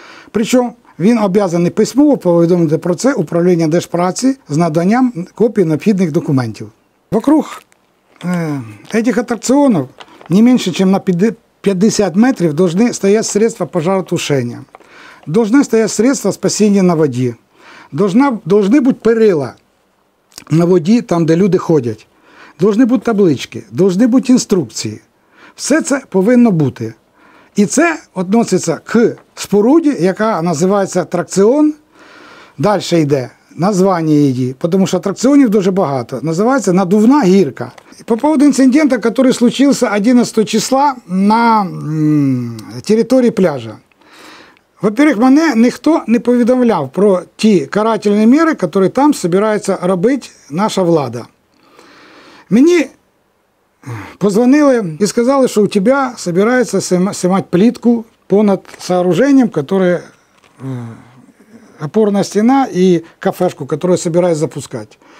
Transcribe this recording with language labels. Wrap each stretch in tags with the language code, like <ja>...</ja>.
<uk>Причому він об'язаний письмово повідомити про це управління Держпраці з наданням копій необхідних документів. Вокруг цих атракціонів не менше, ніж на 50 метрів, повинні стояти средства пожаротушення.</uk> <ru>Должны стоять средства спасения на воде. Должны быть перила на воде, там, где люди ходят. Должны быть таблички, должны быть инструкции. Все это должно быть. И это относится к споруде, яка называется аттракцион. Дальше идет название ее, потому что аттракционов очень много. Называется надувна гирка. По поводу инцидента, который случился 11 числа на территории пляжа.</ru> <uk>Во-первых, мене ніхто не повідомляв про ті карательні міри, які там збирається робити наша влада. Мені позвонили і сказали, що у тебе збирається знімати плітку понад сооруженням, яке опорна стіна і кафешку, яку збираюся запускати.</uk>